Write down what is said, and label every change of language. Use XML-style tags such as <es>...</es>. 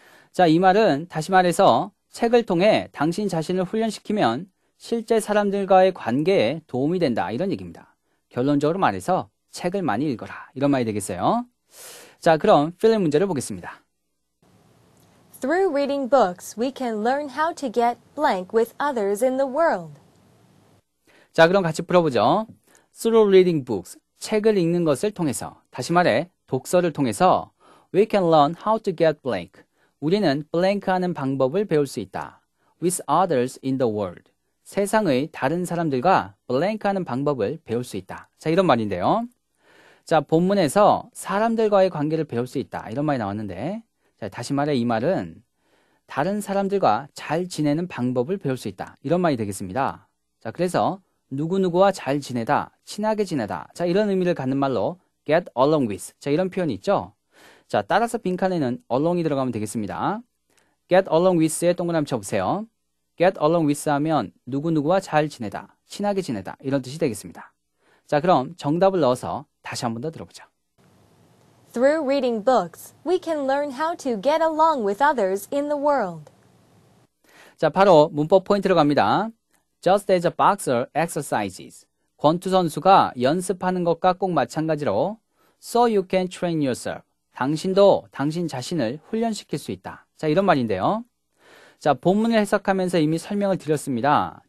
<ko>자, 이 말은 다시 말해서 책을 통해 당신 자신을 훈련시키면 실제 사람들과의 관계에 도움이 된다. 이런 얘기입니다. 결론적으로 말해서 책을 많이 읽어라. 이런 말이 되겠어요. 자, 그럼 필름 문제를 보겠습니다.</ko> <en>Through reading books, we can learn how to get blank with others in the world.</en> <ko>자, 그럼 같이 풀어보죠.</ko> <en>Through reading books,</en> <ko>책을 읽는 것을 통해서, 다시 말해 독서를 통해서</ko> <en>we can learn how to get blank.</en> <ko>우리는 blank하는 방법을 배울 수 있다.</ko> <en>With others in the world.</en> <ko>세상의 다른 사람들과 blank하는 방법을 배울 수 있다. 자, 이런 말인데요. 자, 본문에서 사람들과의 관계를 배울 수 있다. 이런 말이 나왔는데 자, 다시 말해 이 말은 다른 사람들과 잘 지내는 방법을 배울 수 있다. 이런 말이 되겠습니다. 자, 그래서 누구누구와 잘 지내다, 친하게 지내다. 자, 이런 의미를 갖는 말로 get along with. 자, 이런 표현이 있죠. 자, 따라서 빈칸에는 along이 들어가면 되겠습니다. get along with에 동그라미 쳐보세요. get along with 하면 누구누구와 잘 지내다, 친하게 지내다. 이런 뜻이 되겠습니다. 자, 그럼 정답을 넣어서 다시 한 번 더 들어보죠.</ko> <en>Through reading books, we can learn how to get along with others in the world.</en> <ko>자, 바로 문법 포인트로 갑니다.</ko> <en>Just as a boxer exercises.</en> <ko>권투 선수가 연습하는 것과 꼭 마찬가지로</ko> <en>so you can train yourself.</en> <ko>당신도 당신 자신을 훈련시킬 수 있다. 자, 이런 말인데요. 자, 본문을 해석하면서 이미 설명을 드렸습니다.</ko>